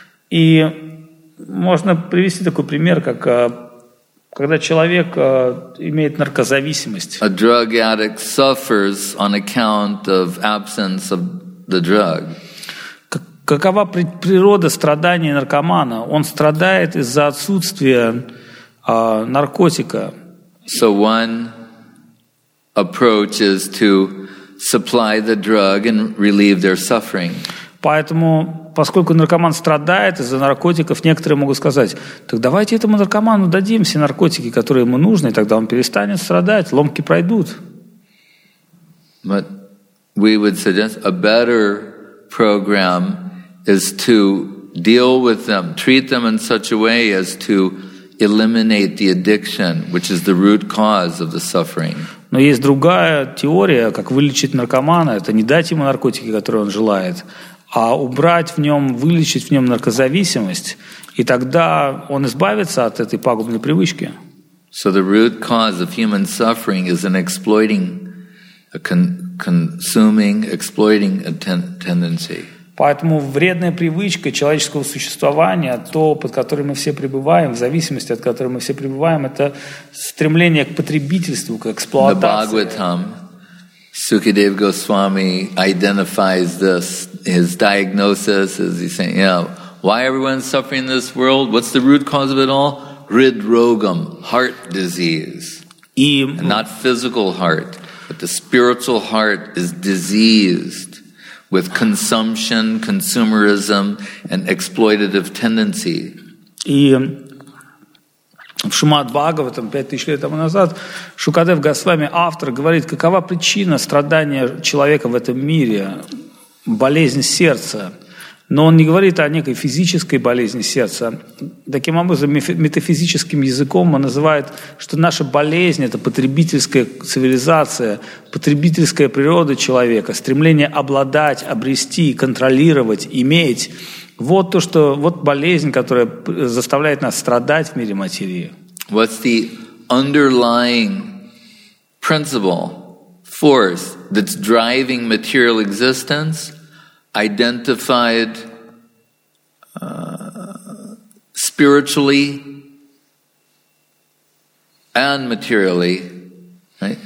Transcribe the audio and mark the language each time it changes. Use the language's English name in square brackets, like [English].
[Russian] И можно привести такой пример, как когда человек имеет наркозависимость. [English] A drug addict suffers on account of absence of the drug. [Russian] Какова природа страдания наркомана? Он страдает из-за отсутствия наркотика. [English] So one approach is to supply the drug and relieve their suffering. [Russian] Поэтому, поскольку наркоман страдает из-за наркотиков, некоторые могут сказать, так давайте этому наркоману дадим все наркотики, которые ему нужны, и тогда он перестанет страдать, ломки пройдут. [English] But we would suggest a better program is to deal with them, treat them in such a way as to eliminate the addiction, which is the root cause of the suffering. [Russian] Но есть другая теория, как вылечить наркомана, это не дать ему наркотики, которые он желает, а убрать в нем, вылечить в нем наркозависимость, и тогда он избавится от этой пагубной привычки. [English] So the root cause of human suffering is an exploiting, a consuming, exploiting a tendency. [Russian] Поэтому вредная привычка человеческого существования, то, под которой мы все пребываем, в зависимости от которой мы все пребываем, это стремление к потребительству, к эксплуатации. [English] Sukadev Goswami identifies this, his diagnosis, as he's saying, yeah, why everyone's suffering in this world? What's the root cause of it all? Hridrogam, heart disease. And not physical heart, but the spiritual heart is diseased with consumption, consumerism, and exploitative tendency. [Russian] В Шримад-Бхагаватам 5000 лет тому назад Шукадев Госвами, автор, говорит, какова причина страдания человека в этом мире, болезнь сердца. Но он не говорит о некой физической болезни сердца. Таким образом, метафизическим языком он называет, что наша болезнь – это потребительская цивилизация, потребительская природа человека, стремление обладать, обрести, контролировать, иметь. Вот то, что вот болезнь, которая заставляет нас страдать в мире материи. [English] What's the underlying principle force that's driving material existence? Identified spiritually and materially, right?